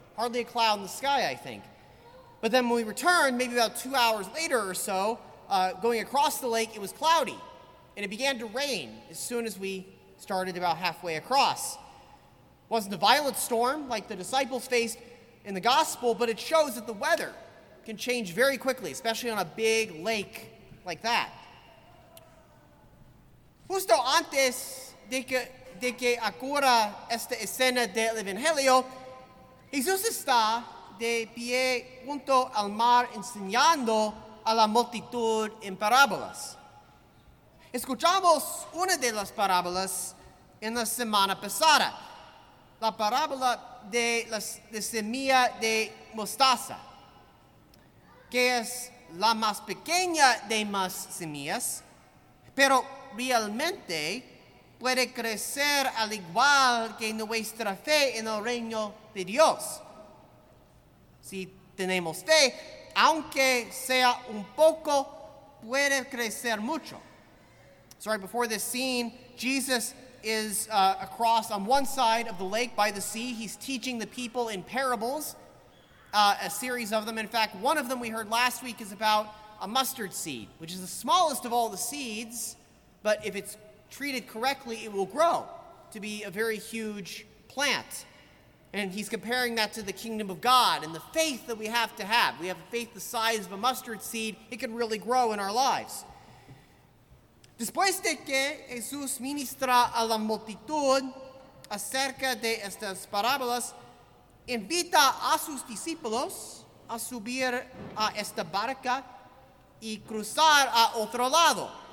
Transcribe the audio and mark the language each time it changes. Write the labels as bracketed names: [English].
[English] Hardly a cloud in the sky, I think. But then when we returned, maybe about 2 hours later or so, going across the lake, it was cloudy. And it began to rain as soon as we started about halfway across. It wasn't a violent storm like the disciples faced in the gospel, but it shows that the weather can change very quickly, especially on a big lake like that. [Spanish] Justo antes de que ocurra esta escena del Evangelio, Jesús está de pie junto al mar enseñando a la multitud en parábolas. Escuchamos una de las parábolas en la semana pasada, la parábola de semilla de mostaza, que es la más pequeña de más semillas, pero realmente puede crecer al igual que nuestra fe en el reino de Dios. Si tenemos fe, aunque sea un poco, puede crecer mucho. [English] Sorry, before this scene, Jesus is across on one side of the lake by the sea. He's teaching the people in parables, a series of them. In fact, one of them we heard last week is about a mustard seed, which is the smallest of all the seeds, but if it's treated correctly, it will grow to be a very huge plant. And he's comparing that to the kingdom of God and the faith that we have to have. We have a faith the size of a mustard seed. It can really grow in our lives. [Spanish] Después de que Jesús ministra a la multitud acerca de estas parábolas, invita a sus discípulos a subir a esta barca y cruzar a otro lado.